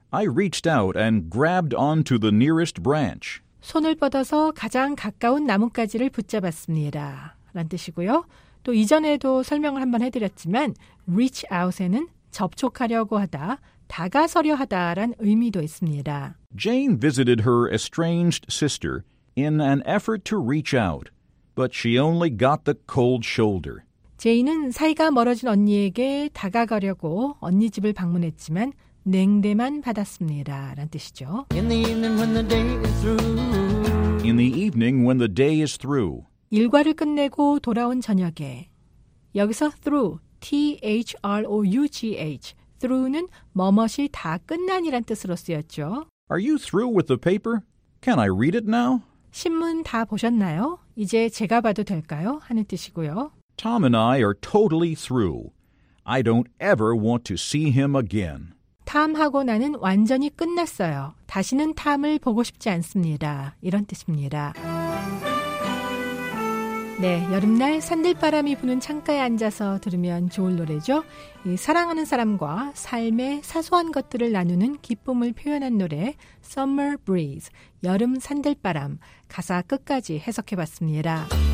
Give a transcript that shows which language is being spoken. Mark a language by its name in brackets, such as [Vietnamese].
[English] I reached out and grabbed onto the nearest branch. [Korean] 손을 뻗어서 가장 가까운 나뭇가지를 붙잡았습니다. 라는 뜻이고요. 또 이전에도 설명을 한번 해드렸지만 reach out에는 접촉하려고 하다, 다가서려 하다란 의미도 있습니다. [English] Jane visited her estranged sister in an effort to reach out. But she only got the cold shoulder. [Korean] 제인은 사이가 멀어진 언니에게 다가가려고 언니 집을 방문했지만 냉대만 받았습니다. 라는 뜻이죠. [English] In the evening when the day is through. In the evening when the day is through. [Korean] 일과를 끝내고 돌아온 저녁에 여기서 through, T-H-R-O-U-G-H, through는 뭐뭇이 다 끝난이란 뜻으로 쓰였죠. [English] Are you through with the paper? Can I read it now? [Korean] 신문 다 보셨나요? 이제 제가 봐도 될까요? 하는 뜻이고요. [English] Tom and I are totally through. I don't ever want to see him again. [Korean] Tom하고 나는 완전히 끝났어요. 다시는 Tom을 보고 싶지 않습니다. 이런 뜻입니다. 네, 여름날 산들바람이 부는 창가에 앉아서 들으면 좋을 노래죠. 이 사랑하는 사람과 삶의 사소한 것들을 나누는 기쁨을 표현한 노래 Summer Breeze, 여름 산들바람 가사 끝까지 해석해봤습니다.